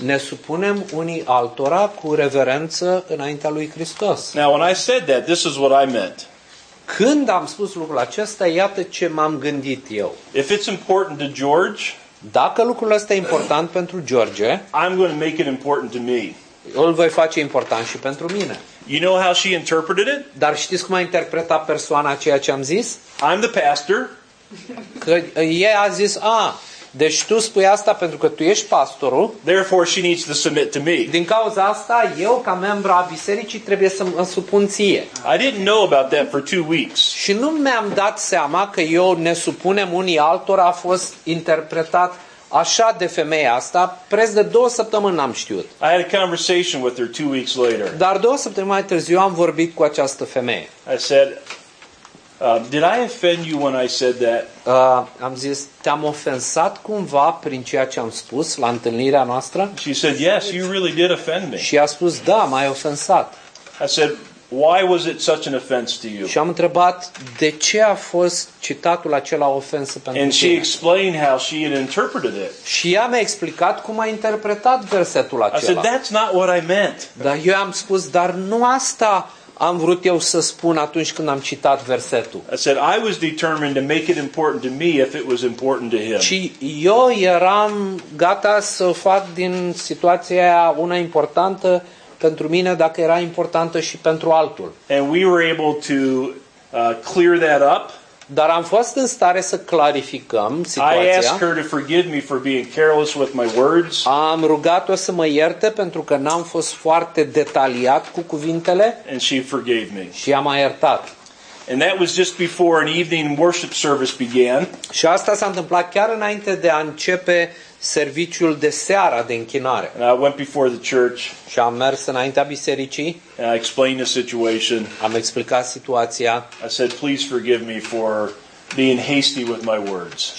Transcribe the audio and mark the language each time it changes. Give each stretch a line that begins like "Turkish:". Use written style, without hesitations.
Romanian: Ne supunem unii altora cu reverență înaintea lui Hristos.
English: Now, when I said that, this is what I meant.
Romanian: Când am spus lucrul acesta, iată ce m-am gândit eu.
English: If it's important to George,
Romanian: dacă lucrul ăsta e important pentru George,
English: I'm going to make it important to me.
Romanian: Îl voi face important și pentru mine.
English: You know how she interpreted it?
Romanian: Dar știți cum a interpretat persoana ceea ce am zis?
English: I'm the pastor.
Romanian: Că ea a zis, deci tu spui asta pentru că tu ești pastorul.
English: Therefore she needs to submit to me.
Romanian: Din cauza asta, eu ca membru a bisericii trebuie să mă supun ție.
English: I didn't know about that for 2 weeks.
Romanian: Și nu mi-am dat seama că eu ne supunem unii altora a fost interpretat așa de femeia asta, preț de 2 săptămâni n-am știut.
English: I had a conversation with her 2 weeks later.
Romanian: Dar 2 săptămâni mai târziu am vorbit cu această femeie.
English: I said, did I offend you when I said that?
Romanian: Am zis, te-am ofensat cumva prin ceea ce am spus la întâlnirea noastră?
English: She said, yes, you really did offend me.
Romanian: Și a spus, da, m-ai ofensat.
English: I said, why was it such an offense to you?
Romanian: Și am întrebat, de ce a fost citatul acela ofensă pentru tine?
English: And she explained how she had interpreted it.
Romanian: Și ea mi-a explicat cum a interpretat versetul acela.
English: I said, that's not what I meant.
Romanian: Dar eu am spus, dar nu asta am vrut eu să spun atunci când am citat versetul.
English: I said I was determined to make it important to me if it was important to him.
Romanian: Și eu eram gata să fac din situația aia una importantă pentru mine dacă era importantă și pentru altul.
English: And we were able to clear that up.
Romanian: Dar am fost în stare să clarificăm situația.
English: I asked her to forgive me for being careless with my words.
Romanian: Am rugat-o să mă ierte pentru că n-am fost foarte detaliat cu cuvintele.
English: And she forgave me.
Romanian: Și ea m-a iertat.
English: And that was just before an evening worship service began.
Romanian: Și asta s-a întâmplat chiar înainte de a începe serviciul de seară de închinare.
English: And I went before the church.
Romanian: Și am mers înaintea bisericii.
English: And I explained the situation.
Romanian: Am explicat situația.
English: I said, please forgive me for being hasty with my words.